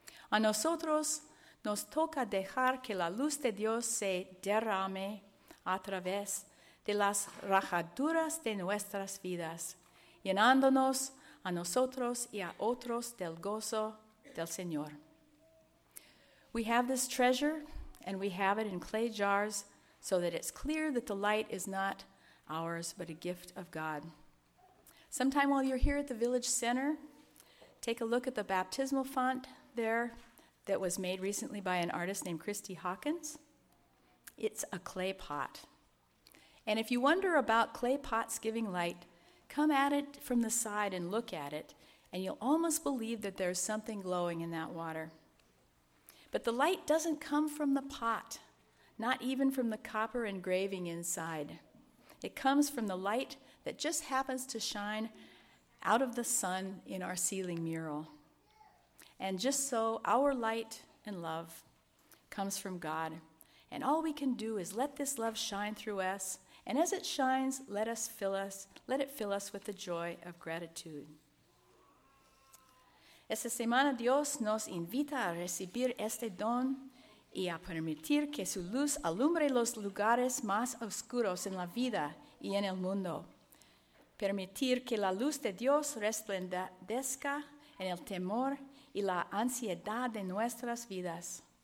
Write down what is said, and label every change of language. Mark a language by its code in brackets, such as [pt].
[es] A nosotros nos toca dejar que la luz de Dios se derrame a través de las rajaduras de nuestras vidas, llenándonos a nosotros y a otros del gozo del Señor. [en] We have this treasure, and we have it in clay jars, so that it's clear that the light is not ours, but a gift of God. Sometime while you're here at the Village Center, take a look at the baptismal font there that was made recently by an artist named Christy Hawkins. It's a clay pot. And if you wonder about clay pots giving light, come at it from the side and look at it, and you'll almost believe that there's something glowing in that water. But the light doesn't come from the pot, not even from the copper engraving inside. It comes from the light that just happens to shine out of the sun in our ceiling mural. And just so, our light and love comes from God. And all we can do is let this love shine through us. And as it shines, let it fill us with the joy of gratitude. [es] Esta semana Dios nos invita a recibir este don y a permitir que su luz alumbre los lugares más oscuros en la vida y en el mundo. Permitir que la luz de Dios resplandezca en el temor y la ansiedad de nuestras vidas.